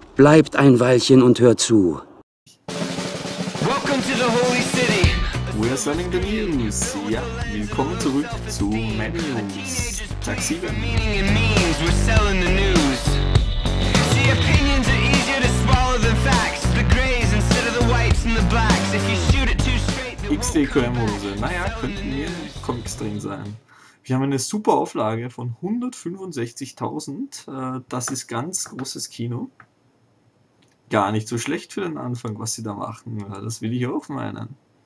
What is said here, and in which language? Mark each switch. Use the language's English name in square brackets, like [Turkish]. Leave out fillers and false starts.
[German] Bleibt ein Weilchen und hört zu. [English] Welcome to the Holy City. We are selling the news. [German] Ja, willkommen zurück zu Mad News. Tag 7. [English] Meaning and means, we're selling the news. See, opinions are easier to swallow than facts. The grays instead of the whites and the blacks. If you shoot it too straight, they won't come. XDQM-Hose. [German] Naja, könnten wir Comics drin sein. Wir haben eine super Auflage von 165.000. Das ist ganz großes Kino. Gar nicht so schlecht für den Anfang, was sie da machen. Das will ich auch meinen.